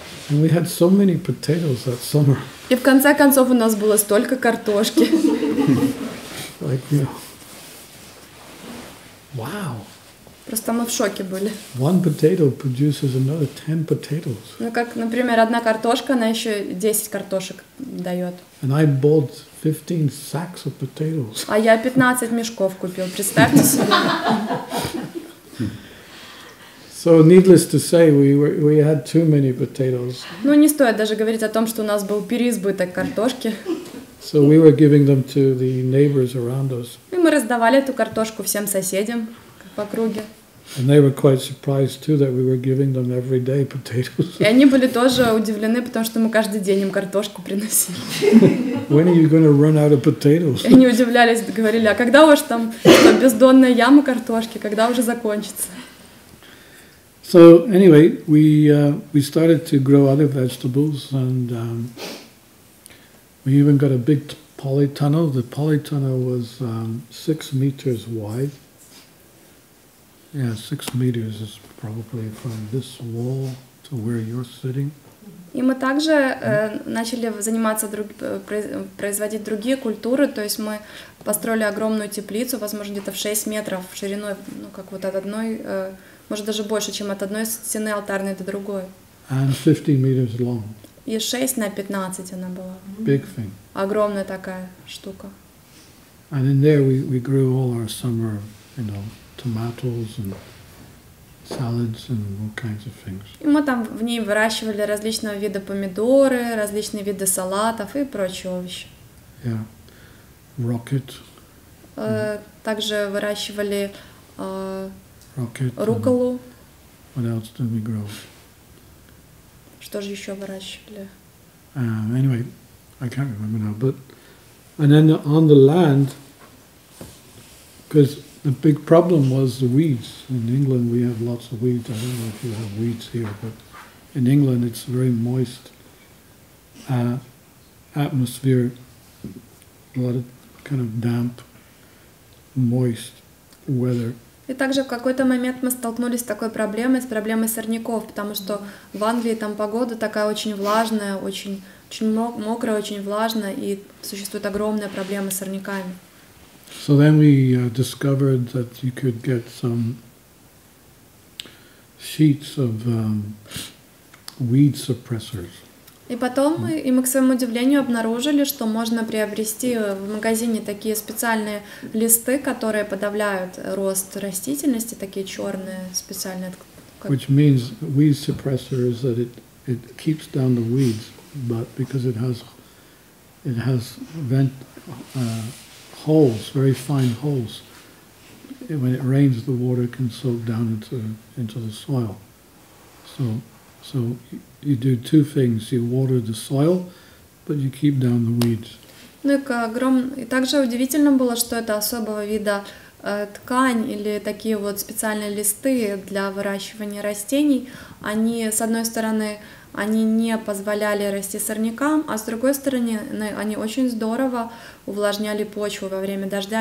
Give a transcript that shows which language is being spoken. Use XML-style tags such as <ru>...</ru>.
<en>And we had so many potatoes that summer.</en> <ru>И в конце концов у нас было столько картошки.</ru> <en>Like, you know. Wow.</en> <ru>Просто мы в шоке были.</ru> <en>One potato produces another 10 potatoes.</en> <ru>Ну как, например, одна картошка, она еще 10 картошек дает.</ru> <en>And I bought 15 sacks of potatoes.</en> <ru>А я 15 мешков купил, представьте себе.</ru> <en>So needless to say, we had too many potatoes.</en> <ru>Ну не стоит даже говорить о том, что у нас был переизбыток картошки.</ru> <en>So we were giving them to the neighbors around us.</en> <ru>И мы раздавали эту картошку всем соседям по кругу.</ru> <en>And they were quite surprised too that we were giving them every day potatoes.</en> <ru>И они были тоже удивлены, потому что мы каждый день им картошку приносили.</ru> <en>When are you going to run out of potatoes?</en> <ru>Они удивлялись, говорили: "А когда уж там бездонная яма картошки, когда уже закончится?"</ru> <en>So anyway, we started to grow other vegetables, and we even got a big polytunnel. The polytunnel was 6 meters wide. Yeah, 6 meters is probably from this wall to where you're sitting.</en> <ru>И мы также начали заниматься производить другие культуры, то есть мы построили огромную теплицу, возможно, где-то в 6 метров шириной, ну как вот от одной. Может даже больше, чем от одной стены алтарной до другой.</ru> <en>And 15 meters long.</en> <ru>И 6 на 15 она была.</ru> <en>Big thing.</en> <ru>Огромная такая штука.</ru> <en>And in there we grew all our summer, you know, tomatoes and salads and all kinds of things.</en> <ru>И мы там в ней выращивали различного вида помидоры, различные виды салатов и прочие овощи.</ru> <en>Yeah. Rocket.</en> <ru>Также выращивали</ru> <en>Rocket.</en> <ru>Руколу.</ru> <en>What else did we grow?</en> <ru>Что же еще выращивали?</ru> <en>Anyway, I can't remember now. But and then on the land, because the big problem was the weeds. In England, we have lots of weeds. I don't know if you have weeds here, but in England, it's very moist atmosphere. A lot of kind of damp, moist weather.</en> <ru>И также в какой-то момент мы столкнулись с такой проблемой, с проблемой сорняков, потому что в Англии там погода такая очень влажная, очень, очень мокрая, очень влажная, и существует огромная проблема с сорняками.</ru> <en>So then we discovered that you could get some sheets of weed suppressors.</en> <ru>И потом мы, и мы к своему удивлению обнаружили, что можно приобрести в магазине такие специальные листы, которые подавляют рост растительности, такие черные специальные.</ru> <en>Which means weed suppressor is that it keeps down the weeds, but because it has vent holes, very fine holes. When it rains, the water can soak down into the soil. So you do two things: you water the soil, but you keep down the weeds.</en> <ru>Ну и также удивительно было, что это особого вида ткань или такие вот специальные листы для выращивания растений. Они с одной стороны они не позволяли расти сорнякам, а с другой стороны они очень здорово увлажняли почву во время дождя.</ru>